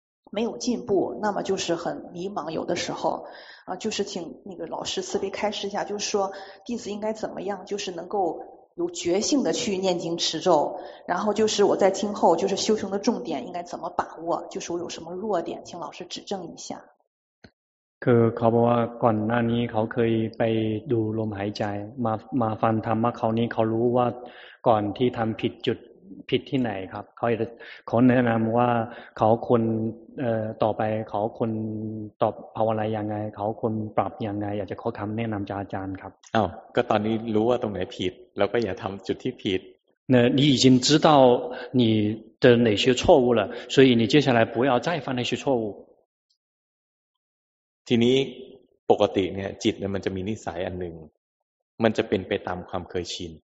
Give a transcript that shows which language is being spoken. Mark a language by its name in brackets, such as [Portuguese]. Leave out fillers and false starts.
[Chinese] 没有进步那么就是很迷茫有的时候就是请那个老师慈悲开示一下就是说弟子应该怎么样就是能够有觉性的去念经持咒然后就是我在今后就是修行的重点应该怎么把握就是我有什么弱点请老师指正一下 [Thai] คือเขาบอกว่าก่อนหน้านี้เขาเคยไปดูลมหายใจมาฟังธรรมะคราวนี้เขารู้ว่าก่อนที่ทำผิดจุดผิดที่ไหนครับเขาแนะนำว่าเขาควรต่อไปเขาควรตอบภาวนายังไงเขาควรปรับยังไงอยากจะขอคำแนะนำจากอาจารย์ครับ อ้าวก็ตอนนี้รู้ว่าตรงไหนผิดแล้วก็อย่าทำจุดที่ผิด [Chinese] เนี่ย你已经知道你的哪些错误了所以你接下来不要再犯那些错误 [Thai] ทีนี้ปกติเนี่ยจิตเนี่ยมันจะมีนิสัยอันหนึ่งมันจะเป็นไปตามความเคยชิน